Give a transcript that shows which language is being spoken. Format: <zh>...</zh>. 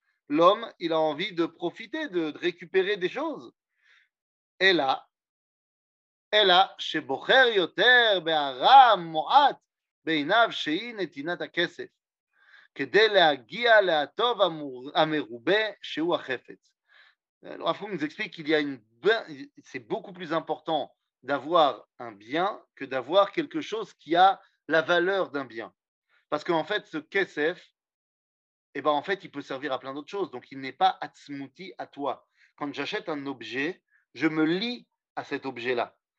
<fr>L'homme, il a envie de profiter, de récupérer des choses. Et là,</fr> <he>שבוחר יותר בהרם מועט בעיניו שהיא נתינת הכסף. כדי להגיע להטוב המרובה שהוא החפץ.</he> <fr>Le Rav Kook nous explique qu'il y a c'est beaucoup plus important d'avoir un bien que d'avoir quelque chose qui a la valeur d'un bien. Parce qu'en fait, ce kesef, eh ben en fait, il peut servir à plein d'autres choses. Donc, il n'est pas atzmouti à toi. Quand j'achète un objet, je me lie à cet objet-là.</fr>